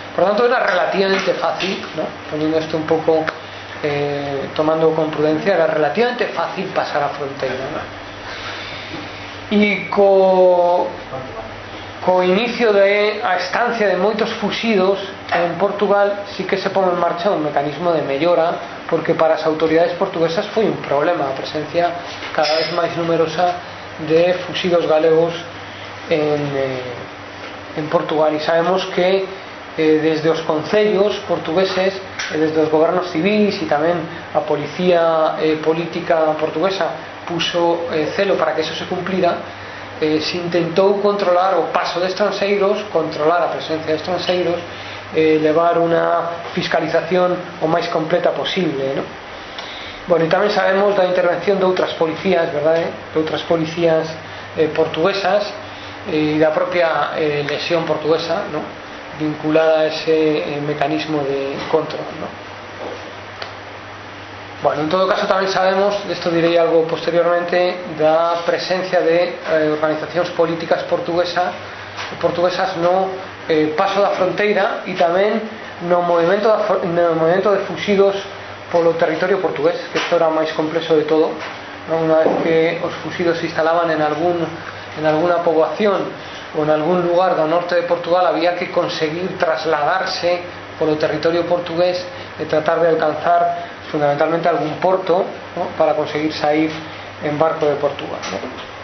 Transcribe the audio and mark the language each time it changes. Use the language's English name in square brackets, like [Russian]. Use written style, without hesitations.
[Galician] Por tanto, era relativamente fácil, ¿no?, poniendo esto un pouco tomando con prudencia, era relativamente fácil pasar a fronteira, ¿no? E co inicio de a estancia de moitos fuxidos en Portugal, sí que se pon en marcha un mecanismo de mellora, porque para as autoridades portuguesas foi un problema a presencia cada vez máis numerosa de fuxidos galegos en Portugal. E sabemos que desde os concellos portugueses, desde os gobernos civis e tamén a policía política portuguesa puso celo para que eso se cumplira, se intentou controlar o paso de estranxeiros, controlar a presencia de estranxeiros, levar unha fiscalización o máis completa posible, ¿no? Bueno, e tamén sabemos da intervención de outras policías, ¿verdad? De outras policías portuguesas e da propia lesión portuguesa, ¿no?, vinculada a ese mecanismo de control, ¿no? Bueno, en todo caso tamén sabemos, isto direi algo posteriormente, da presencia de organizacións políticas portuguesas no paso da fronteira e tamén no movimento de fuxidos polo territorio portugués, que isto era o máis complexo de todo, [Spanish] una vez que los fusidos se instalaban en alguna población o en algún lugar del norte de Portugal, había que conseguir trasladarse por el territorio portugués y tratar de alcanzar fundamentalmente algún puerto, ¿no?, para conseguir salir en barco de Portugal, ¿no?